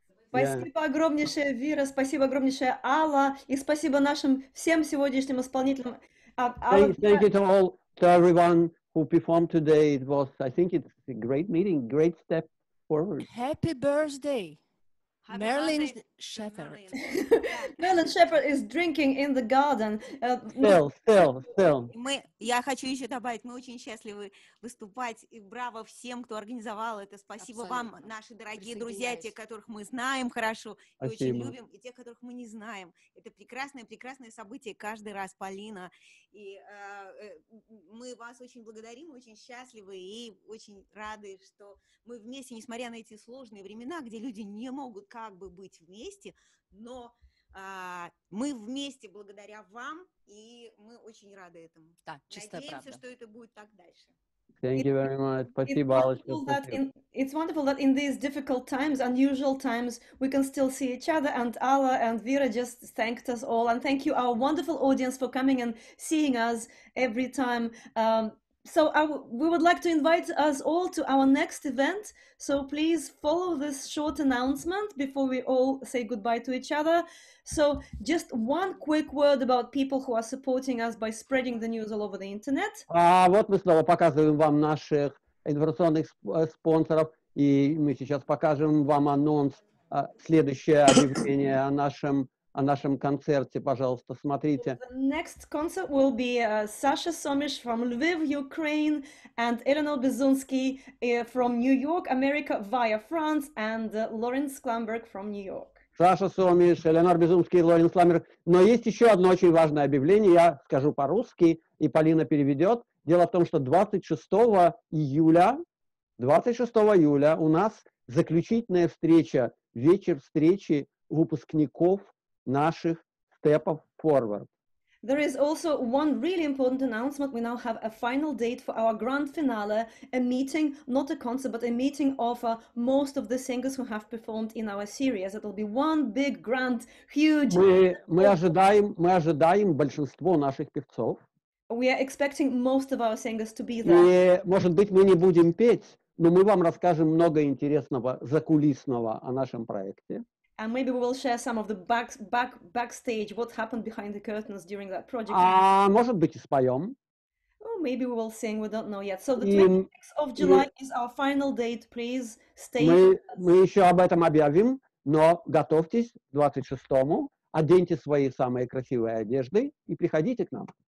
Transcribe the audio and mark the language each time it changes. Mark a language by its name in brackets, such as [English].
[Russian] Спасибо огромнейшее, Вира. Спасибо огромнейшее, Алла. И спасибо нашим всем сегодняшним исполнителям. [English] Thank you to all, to everyone who performed today. It was, I think it's a great meeting, great step forward. Happy birthday, Merlin Shepherd. Merlin Shepherd is drinking in the garden. Still. [Russian] Я хочу еще добавить, мы очень счастливы выступать. И браво всем, кто организовал это. Спасибо вам, наши дорогие друзья, те, которых мы знаем хорошо и очень любим, и те, которых мы не знаем. Это прекрасное событие каждый раз, Полина. И мы вас очень благодарим, очень счастливы и очень рады, что мы вместе, несмотря на эти сложные времена, где люди не могут как бы быть вместе, но мы вместе благодаря вам, и мы очень рады этому. Да, чистая правда. Надеемся, что это будет так дальше. [English] Thank you very much. [Russian] Спасибо, Алочка. [English] It's wonderful that in these difficult times, unusual times, we can still see each other. And Alla and Vira just thanked us all. And thank you, our wonderful audience, for coming and seeing us every time. So we would like to invite us all to our next event. So please follow this short announcement before we all say goodbye to each other. So just one quick word about people who are supporting us by spreading the news all over the internet. [Russian] Вот мы снова показываем вам наших информационных спонсоров, и мы сейчас покажем вам анонс, следующее объявление о нашем концерте, пожалуйста, смотрите. [English] The next concert will be Sasha Somish from Lviv, Ukraine, and Eleanor Bizunsky from New York, America via France, and Lawrence Klamberg from New York. [Russian] Саша Сомиш, Эленор Безумский, Лоренс Ламер. Но есть еще одно очень важное объявление, я скажу по-русски, и Полина переведет. Дело в том, что 26 июля у нас заключительная встреча, вечер встречи выпускников наших степов Forward. [English] There is also one really important announcement. We now have a final date for our grand finale, a meeting, not a concert, but a meeting of most of the singers who have performed in our series. It will be one big, grand, huge... [Russian] Мы ожидаем большинство наших певцов. [English] We are expecting most of our singers to be there. [Russian] Может быть, мы не будем петь, но мы вам расскажем много интересного, закулисного о нашем проекте. [English] And maybe we will share some of the backstage, what happened behind the curtains during that project. [Russian] Может быть, и споем. [English] Oh, maybe we will sing, we don't know yet. So the 26th of July is our final date, please stay with us. [Russian] Мы еще об этом объявим, но готовьтесь 26-му, оденьте свои самые красивые одежды и приходите к нам.